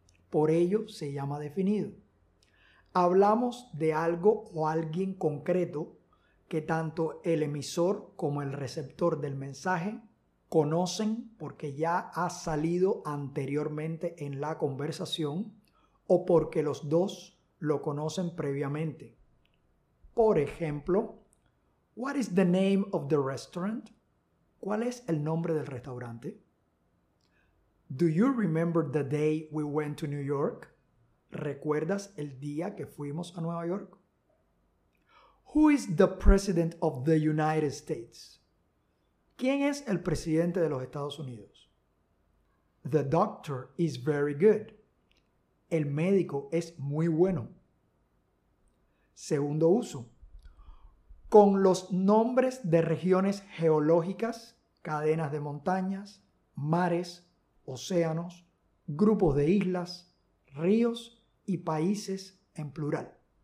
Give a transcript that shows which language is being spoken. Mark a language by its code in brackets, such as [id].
[es] Por ello se llama definido. Hablamos de algo o alguien concreto que tanto el emisor como el receptor del mensaje conocen porque ya ha salido anteriormente en la conversación o porque los dos lo conocen previamente. Por ejemplo, [en] what is the name of the restaurant? [es] ¿Cuál es el nombre del restaurante? [en] Do you remember the day we went to New York? [es] ¿Recuerdas el día que fuimos a Nueva York? [en] Who is the president of the United States? [es] ¿Quién es el presidente de los Estados Unidos? [en] The doctor is very good. [es] El médico es muy bueno. Segundo uso. Con los nombres de regiones geológicas, cadenas de montañas, mares, océanos, grupos de islas, ríos y países en plural.